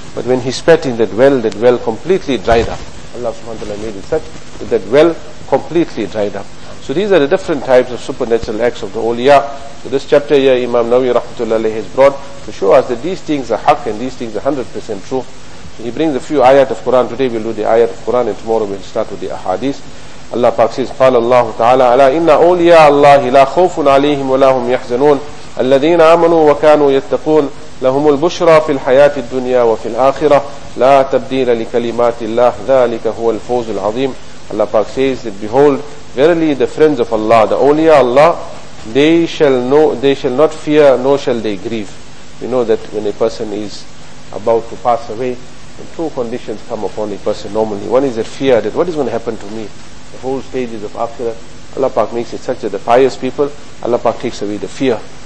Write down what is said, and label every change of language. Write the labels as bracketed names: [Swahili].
[English] But when he spat in that well completely dried up. Allah subhanahu wa ta'ala made it such that that well completely dried up. So these are the different types of supernatural acts of the awliya. So this chapter here, Imam Nawawi rahmatullahi has brought to show us that these things are haq and these things are 100% true. So he brings a few ayat of Quran. Today we'll do the ayat of Quran and tomorrow we'll start with the ahadith. Allah Pak says, [Arabic] قال الله تعالى على إن أولياء الله لا خوف عليهم ولا هم يحزنون الذين آمنوا وكانوا يتقون لهم البشرى في الحياة الدنيا وفي الآخرة لا تبديل لكلمات الله ذلك هو الفوز العظيم. [English] Allah Pak says that behold, verily the friends of Allah, the awliya Allah, they shall not fear nor shall they grieve. We know that when a person is about to pass away, two conditions come upon a person normally. One is that fear, that what is going to happen to me? The whole stages of akhirah, Allah Pak makes it such that the pious people, Allah Pak takes away the fear.